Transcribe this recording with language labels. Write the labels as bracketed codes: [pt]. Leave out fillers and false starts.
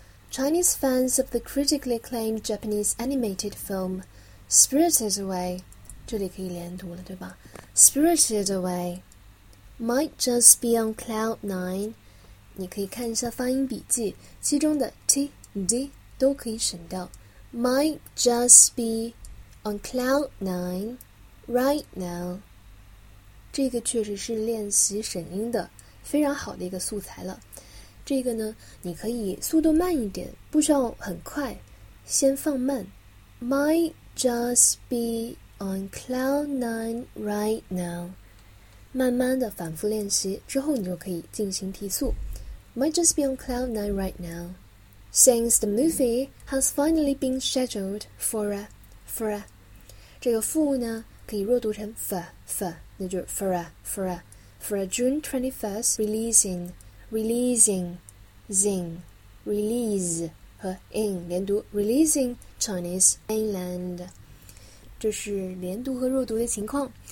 [en] Chinese fans of the critically acclaimed Japanese animated film Spirited Away， [zh] 这里可以连读了，对吧？ [en] Spirited Away might just be on cloud nine。 [zh] 你可以看一下发音笔记，其中的 tD 都可以省掉。 [en] Might just be on cloud nine right now， [zh] 这个确实是练习审音的非常好的一个素材了。这个呢，你可以速度慢一点，不需要很快，先放慢。 [en] Might just be on cloud nine right now。 [zh] 慢慢的反复练习之后，你就可以进行提速。 [en] Might just be on cloud nine right now。 Since the movie has finally been scheduled for a, [zh] for a, 这个副呢可以弱读成 f f， 那就是 [en] for a June 21st releasing zing release [zh] 和 in 连读 [en] releasing Chinese mainland， [zh] 这是连读和弱读的情况。